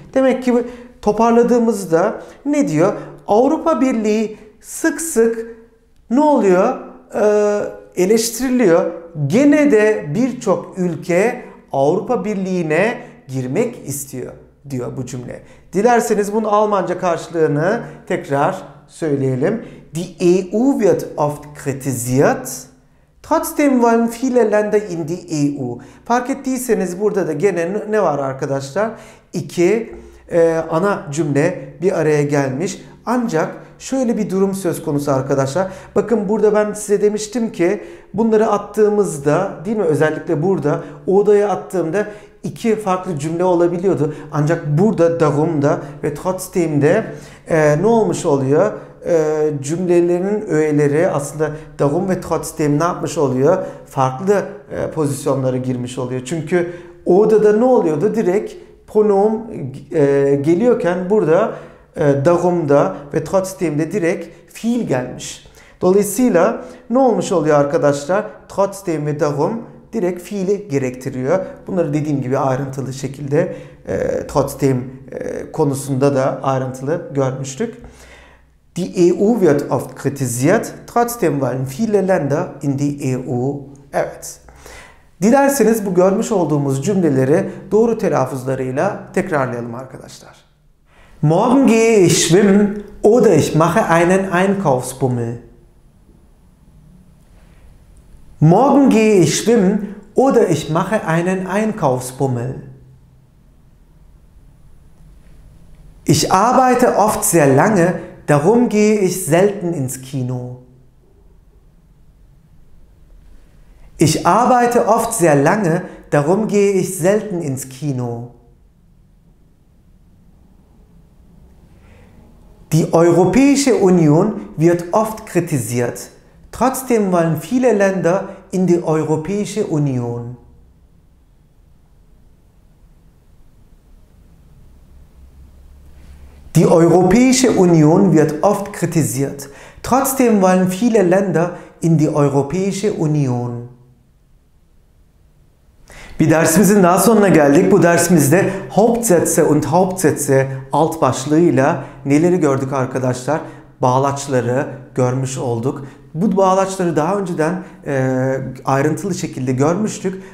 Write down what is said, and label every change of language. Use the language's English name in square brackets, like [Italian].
[Turkish] Demek ki toparladığımızda ne diyor? Avrupa Birliği sık sık ne oluyor? Eleştiriliyor. Gene de birçok ülke Avrupa Birliği'ne girmek istiyor diyor bu cümle. Dilerseniz bunun Almanca karşılığını tekrar söyleyelim. [German] Die EU wird oft kritisiert. Trotzdem wollen viele Länder in die EU. [Turkish] Fark ettiyseniz burada da gene ne var arkadaşlar? İki ana cümle bir araya gelmiş. Ancak Şöyle bir durum söz konusu arkadaşlar. Bakın burada ben size demiştim ki bunları attığımızda, değil mi, özellikle burada o odaya attığımda iki farklı cümle olabiliyordu. Ancak burada Darum'da ve Trotzdem'de ne olmuş oluyor? Cümlelerin öğeleri aslında Darum ve Trotzdem ne yapmış oluyor? Farklı pozisyonlara girmiş oluyor. Çünkü o odada ne oluyordu? Direkt pronom geliyorken burada Darum'da ve Trotzdem'de direkt fiil gelmiş. Dolayısıyla ne olmuş oluyor arkadaşlar? Trotzdem ve Darum direkt fiili gerektiriyor. Bunları dediğim gibi ayrıntılı şekilde Trotzdem konusunda da ayrıntılı görmüştük. [German] Die EU wird oft kritisiert. Trotzdem wollen viele Länder in die EU. [Turkish] Evet. Dilerseniz bu görmüş olduğumuz cümleleri doğru telaffuzlarıyla tekrarlayalım arkadaşlar. [German] Morgen gehe ich schwimmen oder ich mache einen Einkaufsbummel. Morgen gehe ich schwimmen oder ich mache einen Einkaufsbummel. Ich arbeite oft sehr lange, darum gehe ich selten ins Kino. Ich arbeite oft sehr lange, darum gehe ich selten ins Kino. Die Europäische Union wird oft kritisiert. Trotzdem wollen viele Länder in die Europäische Union. Die Europäische Union wird oft kritisiert. Trotzdem wollen viele Länder in die Europäische Union. [Turkish] Bir dersimizin daha sonuna geldik. Bu dersimizde [German] Hauptsätze und Hauptsätze [Turkish] alt başlığıyla neleri gördük arkadaşlar? Bağlaçları görmüş olduk. Bu bağlaçları daha önceden ayrıntılı şekilde görmüştük.